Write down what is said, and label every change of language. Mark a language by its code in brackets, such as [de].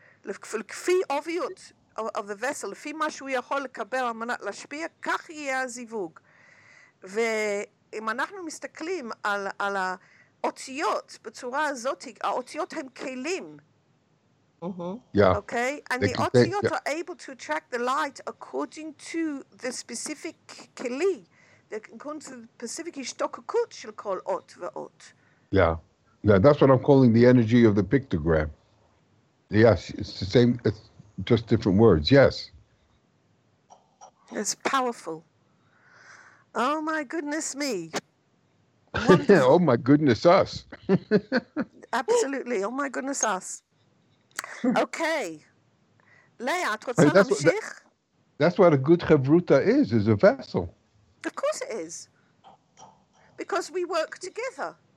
[he] לפי אוביות [en] of the vessel, [he] לפי מה שהוא יכול לקבל על מנת להשפיע, כך יהיה הזיווג. ואם אנחנו מסתכלים על האותיות בצורה הזאת, האותיות הם כלים. [en] Okay? And the אותיות are able to attract the light according to the specific כלי, according to the specific [he] השתוקקות של כל אות ואות. [en] Yeah, that's what I'm calling the energy of the pictogram. Yes, it's the same, it's just different words, yes. It's powerful. Oh my goodness me. Oh my goodness us. Absolutely, oh my goodness us. Okay. [he] Leah, את רוצה להמשיך? [en] That's what a good chavruta is a vessel. Of course it is. Because we work together.